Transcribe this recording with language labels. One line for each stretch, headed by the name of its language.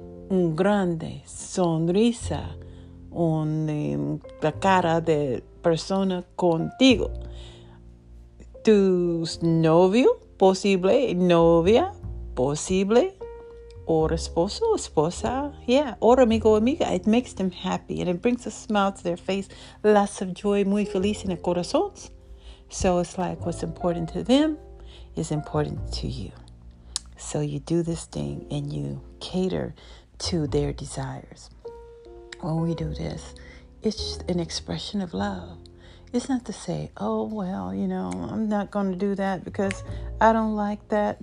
Spanish: Un grande sonrisa on la cara de persona contigo. Tu novio, posible, novia, posible, or esposo, esposa, yeah, or amigo, amiga.
English: It makes them happy and it brings a smile to their face. Lots of joy,
Spanish: muy feliz en el corazón.
English: So it's like what's important to them is important to you. So you do this thing and you cater to their desires. When we do this, it's just an expression of love. It's not to say, oh, well, you know, I'm not going to do that because I don't like that.